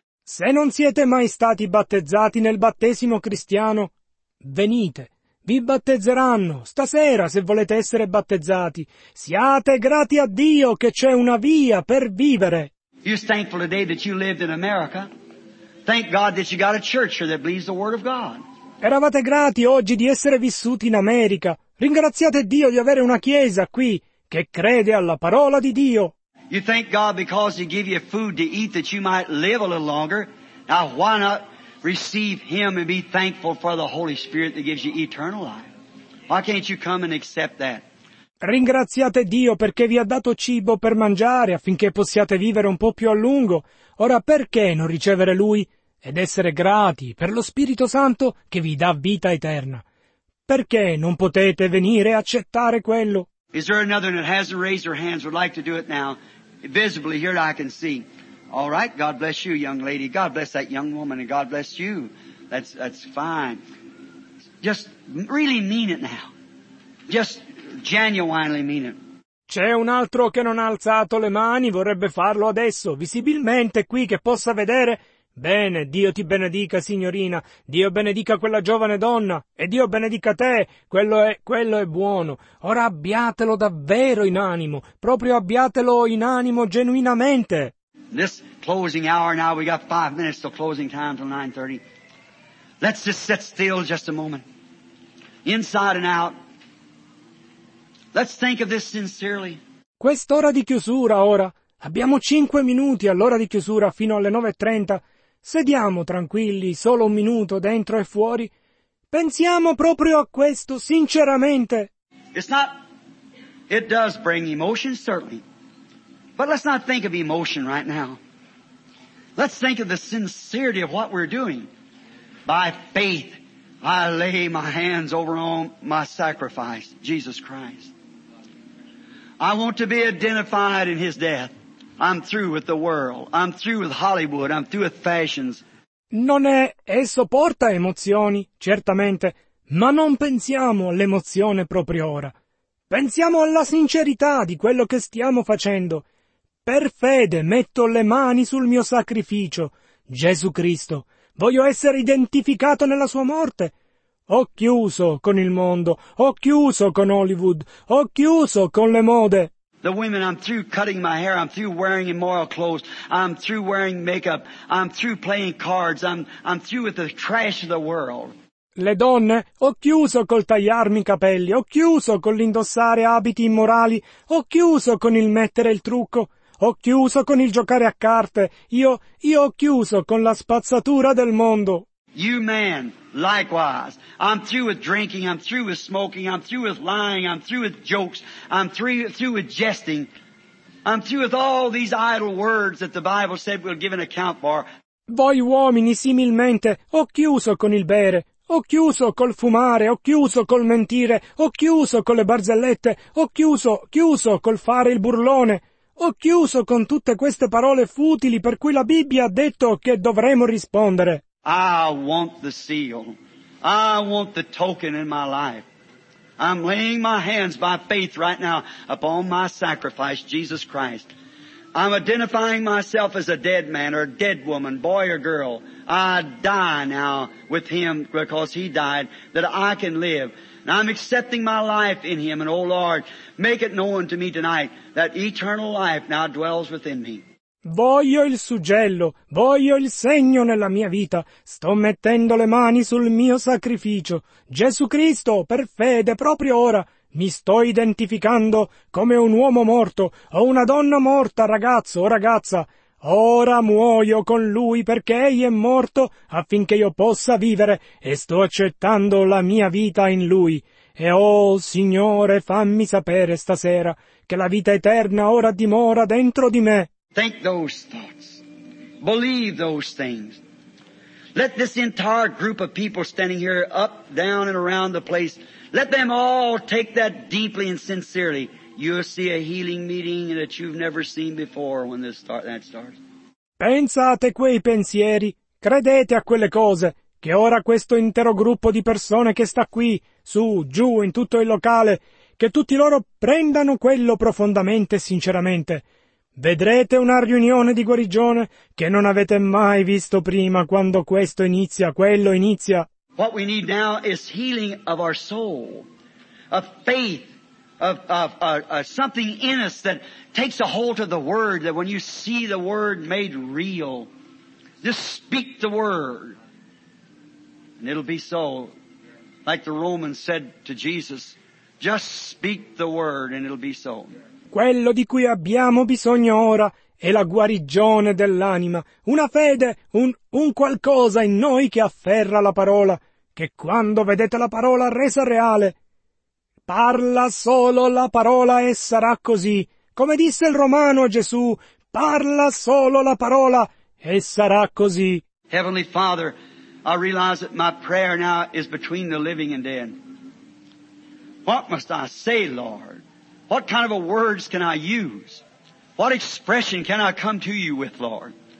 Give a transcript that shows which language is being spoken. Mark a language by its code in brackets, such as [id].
[it] Se non siete mai stati battezzati nel battesimo cristiano, venite. Vi battezzeranno stasera se volete essere battezzati. Siate grati a Dio che c'è una via per vivere. [en] You're thankful today that you lived in America. Thank God that you got a church here that believes the word of God. [it] Eravate grati oggi di essere vissuti in America. Ringraziate Dio di avere una chiesa qui che crede alla parola di Dio. [en] You thank God because he gave you food to eat that you might live a little longer. Now why not receive him and be thankful for the Holy Spirit that gives you eternal life? Why can't you come and accept that? [it] Ringraziate Dio perché vi ha dato cibo per mangiare affinché possiate vivere un po' più a lungo. Ora perché non ricevere Lui ed essere grati per lo Spirito Santo che vi dà vita eterna? Perché non potete venire e accettare quello? [en] Is there another that hasn't raised their hands would like to do it now? Visibly here I can see. All right, God bless you, young lady. God bless that young woman and God bless you. That's fine. Just really mean it now. Just genuinely mean it. [it] C'è un altro che non ha alzato le mani, vorrebbe farlo adesso, visibilmente qui che possa vedere. Bene, Dio ti benedica, signorina. Dio benedica quella giovane donna. E Dio benedica te. Quello è buono. Ora abbiatelo davvero in animo. Proprio abbiatelo in animo genuinamente. [en] This closing hour now, we got 5 minutes till closing time till 9:30. Let's just sit still just a moment. Inside and out. Let's think of this sincerely. [it] Quest'ora di chiusura ora. Abbiamo 5 minuti all'ora di chiusura fino alle 9:30. Sediamo tranquilli, solo un minuto dentro e fuori. Pensiamo proprio a questo, sinceramente. [en] It does bring emotion, certainly. But let's not think of emotion right now. Let's think of the sincerity of what we're doing. By faith, I lay my hands over on my sacrifice, Jesus Christ. I want to be identified in his death. I'm through with the world. I'm through with Hollywood. I'm through with fashions. [it] Non è... Esso porta emozioni, certamente, ma non pensiamo all'emozione proprio ora. Pensiamo alla sincerità di quello che stiamo facendo. Per fede metto le mani sul mio sacrificio, Gesù Cristo. Voglio essere identificato nella sua morte. Ho chiuso con il mondo. Ho chiuso con Hollywood. Ho chiuso con le mode. [en] The women, I'm through cutting my hair, I'm through wearing immoral clothes, I'm through wearing makeup, I'm through playing cards, I'm through with the trash of the world. [it] Le donne, ho chiuso col tagliarmi i capelli, ho chiuso con l'indossare abiti immorali, ho chiuso con il mettere il trucco, ho chiuso con il giocare a carte, io ho chiuso con la spazzatura del mondo. [en] You man, likewise. I'm through with drinking, I'm through with smoking, I'm through with lying, I'm through with jokes, I'm through with jesting. I'm through with all these idle words that the Bible said we'll give an account for. [it] Voi uomini, similmente, ho chiuso con il bere, ho chiuso col fumare, ho chiuso col mentire, ho chiuso con le barzellette, ho chiuso col fare il burlone. Ho chiuso con tutte queste parole futili per cui la Bibbia ha detto che dovremo rispondere. [en] I want the seal. I want the token in my life. I'm laying my hands by faith right now upon my sacrifice, Jesus Christ. I'm identifying myself as a dead man or a dead woman, boy or girl. I die now with him because he died that I can live. And I'm accepting my life in him. And, oh Lord, make it known to me tonight that eternal life now dwells within me. [it] Voglio il suggello, voglio il segno nella mia vita. Sto mettendo le mani sul mio sacrificio. Gesù Cristo, per fede, proprio ora, mi sto identificando come un uomo morto o una donna morta, ragazzo o ragazza. Ora muoio con Lui perché Egli è morto affinché io possa vivere e sto accettando la mia vita in Lui. E oh, Signore, fammi sapere stasera che la vita eterna ora dimora dentro di me. [en] Think those thoughts. Believe those things. Let this entire group of people standing here up, down, and around the place, let them all take that deeply and sincerely. You'll see a healing meeting that you've never seen before when that starts. [it] Pensate quei pensieri. Credete a quelle cose. Che ora questo intero gruppo di persone che sta qui, su, giù, in tutto il locale, che tutti loro prendano quello profondamente e sinceramente. Vedrete una riunione di guarigione che non avete mai visto prima. Quando questo inizia, quello inizia. [en] What we need now is healing of our soul, of faith, of something in us that takes a hold of the word, that when you see the word made real, just speak the word. And it'll be so. Like the Roman said to Jesus, just speak the word and it'll be so. [it] Quello di cui abbiamo bisogno ora è la guarigione dell'anima, una fede, un qualcosa in noi che afferra la parola, che quando vedete la parola resa reale, parla solo la parola e sarà così. Come disse il Romano a Gesù, parla solo la parola e sarà così. [en] Heavenly Father, I realize that my prayer now is between the living and dead. What must I say, Lord? What kind of a words can I use? What expression can I come to you with, Lord?